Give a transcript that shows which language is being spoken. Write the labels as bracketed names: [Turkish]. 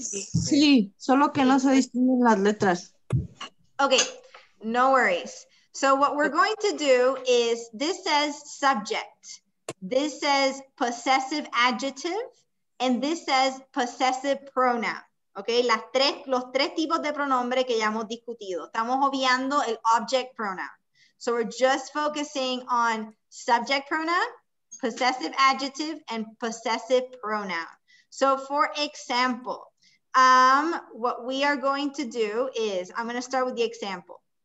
[Spanish] Sí, solo que no se distinguen las letras. [English] Okay, no worries. So what we're going to do is, this says subject, this says possessive adjective, and this says possessive pronoun. [Spanish] ¿Ok? Las tres, los tres tipos de pronombre que ya hemos discutido. Estamos obviando el object pronoun. [English] So we're just focusing on subject pronoun, possessive adjective, and possessive pronoun. So for example, what we are going to do is, I'm going to start with the example.